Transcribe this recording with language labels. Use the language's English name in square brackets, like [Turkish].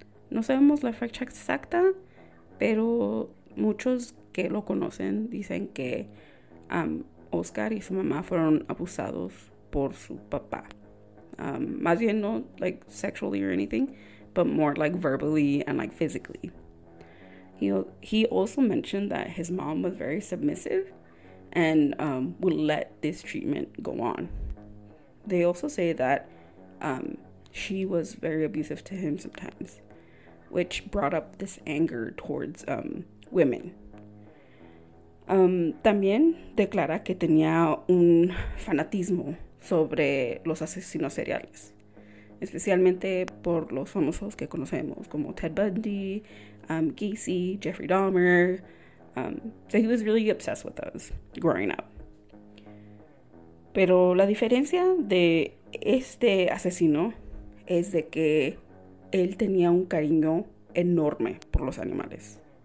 [Spanish] No sabemos la fecha exacta, pero muchos que lo conocen dicen que Óscar y su mamá fueron abusados por su papá. Más bien no [English] like sexually or anything, but more like verbally and like physically. He also mentioned that his mom was very submissive and would let this treatment go on. They also say that she was very abusive to him sometimes, which brought up this anger towards women. [Spanish] También declara que tenía un fanatismo sobre los asesinos seriales, especialmente por los famosos que conocemos como Ted Bundy, Gacy, Jeffrey Dahmer. [English] So he was really obsessed with those growing up. [Spanish] Pero la diferencia de este asesino es de que él tenía un cariño enorme por los animales.